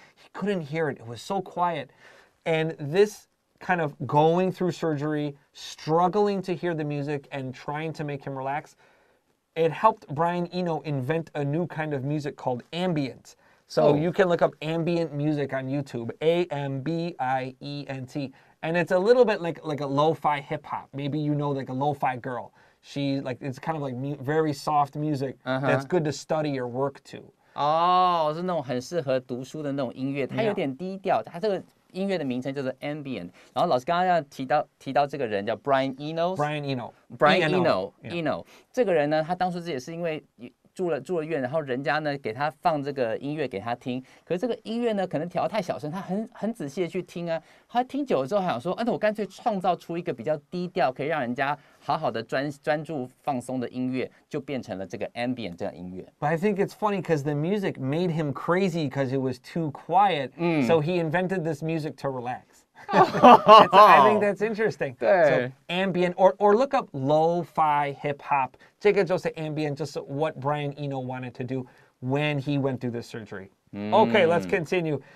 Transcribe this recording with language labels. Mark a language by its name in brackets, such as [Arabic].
[English] He couldn't hear it. It was so quiet. And this kind of going through surgery, struggling to hear the music and trying to make him relax, it helped Brian Eno invent a new kind of music called ambient. So you can look up ambient music on YouTube, A-M-B-I-E-N-T. And it's a little bit like a lo-fi hip-hop. Maybe you know like a lo-fi girl. She's like, it's kind of like very soft music、that's good to study or work to. [Chinese] Oh, 是那种很适合读书的那种音乐。它有点低调。它这个音乐的名称就是 ambient. 然后老师刚刚提到这个人叫 Brian Eno. [English] Brian Eno. Brian Eno. Eno. [Chinese] 这个人呢他当初也是因为住了院，然后人家呢给他放这个音乐给他听，可是这个音乐呢可能调太小声，他很仔细的去听啊，他听久了之后想说，我干脆创造出一个比较低调，可以让人家好好的专注放松的音乐，就变成了这个 ambient 这样音乐。 [English] But I think it's funny because the music made him crazy because it was too quiet.、So he invented this music to relax. I think that's interesting. [Chinese] 对 [English] so, ambient or look up lo-fi hip hop. [Chinese] 这个就是 [English] ambient, just what Brian Eno wanted to do when he went through the surgery.、Okay, let's continue.